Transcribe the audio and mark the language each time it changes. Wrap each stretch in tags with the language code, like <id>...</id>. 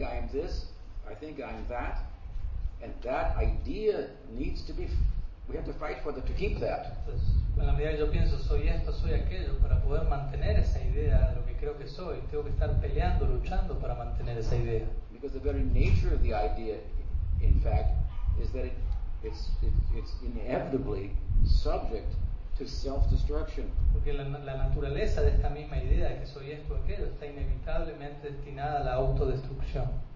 <en>I am this, I think I am that, and that idea needs to be. We have to fight for to keep that.</en> <es>Entonces, en la medida que yo pienso soy esto, soy aquello, para poder mantener esa idea de lo que creo que soy, tengo que estar peleando, luchando para mantener esa idea.</es> <en>Because the very nature of the idea, in fact, is that it's inevitably subject to self-destruction.</en> <es>Porque la naturaleza de esta misma idea de que soy esto o aquello está inevitablemente destinada a la autodestrucción.</es>